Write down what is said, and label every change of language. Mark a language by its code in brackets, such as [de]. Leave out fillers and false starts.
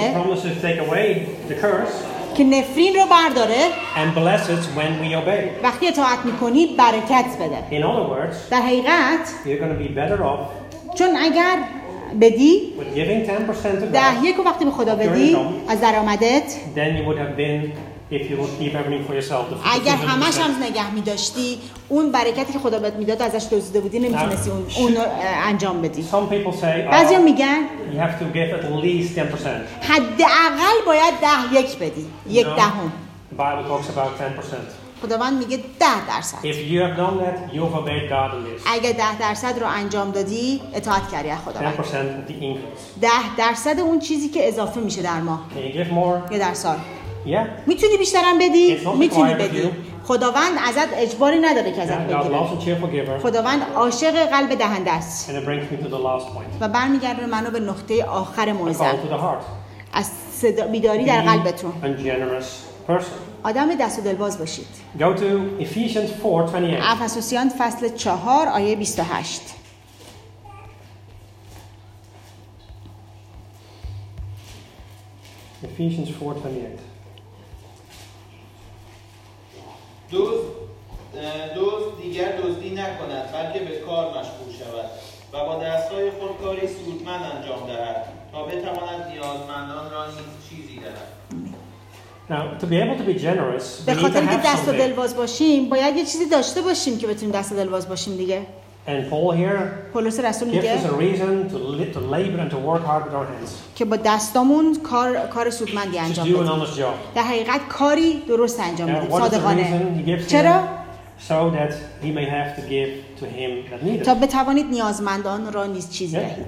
[en] He promises to take away the curse. [fa] که نفرین رو برداره [en] and bless it when we obey. [fa] وقتی اطاعت میکنی برکت بده [en] In other words, [fa] در حقیقت [en] you're gonna be better off [fa] چون اگر بدی [en] with giving 10% to God [fa] ده یک رو وقتی به خدا بدی از درآمدت [en] then you would have been if you would keep everything for yourself [fa] اگر همش هم نگه میداشتی اون برکتی که خدا بهت میداد ازش دزدیده بودی نمیتونستی اون رو انجام بدی [en] some people say [fa] بعضی هم میگن [en] you have to give at least 10% [fa] حداقل باید ده یک بدی یک دهم [en] the Bible talks about 10% [fa] خداوند میگه 10% [en] if you have done that you have obeyed God at least [fa] اگر 10% رو انجام دادی اطاعت کردی از خداوند [en] 10% of the increase [fa] 10% اون چیزی که اضافه میشه در ماه [en] can you give more [fa] یه در سال [en] Yeah. [fa] میتونی بیشترم بدی؟ میتونی بدی. خداوند ازت اجباری نداره که ازت بگیره. خداوند عاشق قلب دهنده است. [en] And it brings me to the last point. [fa] و برمیگرده منو به نقطه آخر موضوع. از صدا بیداری در قلبتون. [en] And generous person. [fa] آدم دست و دلباز باشید. [en] Go to Ephesians 4:28. [fa] افسوسیان فصل 4 آیه 28. [en] Ephesians 4:28. [fa] دوست دیگر دزدی نکند بلکه به کار مشغول شود و با دستهای خود کاری سودمند انجام دهد تا بتواند نیازمندان را نیز چیزی دهد [en] Now, to be able to be generous, we need to have something. [fa] به خاطر دست و دلباز باشیم باید یه چیزی داشته باشیم که بتونیم دست و دلباز باشیم دیگه [en] And Paul here gives us a reason to labor and to work hard with our hands. [fa] که با دستامون کار سودمندی انجام بدیم. [en] To do an honest job. [fa] در حقیقت کاری درست انجام بدیم. صادقانه. چرا؟ [en] so that he may have to give to him that needeth. [fa] تا بتوانید نیازمندان را نیز چیزی دهید.